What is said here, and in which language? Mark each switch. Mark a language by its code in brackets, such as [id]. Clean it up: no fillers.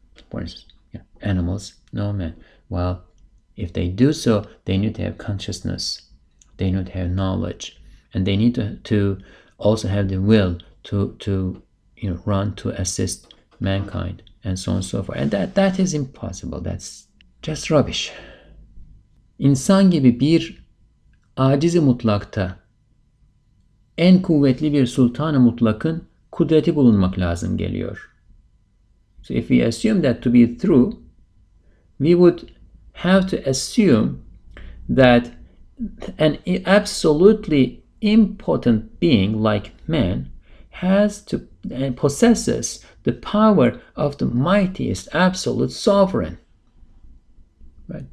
[en] For instance, yeah, animals, no man. Well, if they do so, they need to have consciousness. They need to have knowledge. And they need to also have the will to run to assist mankind and so on and so forth. And that is impossible. That's just rubbish. [tr] İnsan gibi bir acizi mutlakta en kuvvetli bir sultanı mutlakın kudreti bulunmak lazım geliyor. [en] So if we assume that to be true, we would have to assume that an absolutely impotent being like man has to and possesses the power of the mightiest absolute sovereign. Right?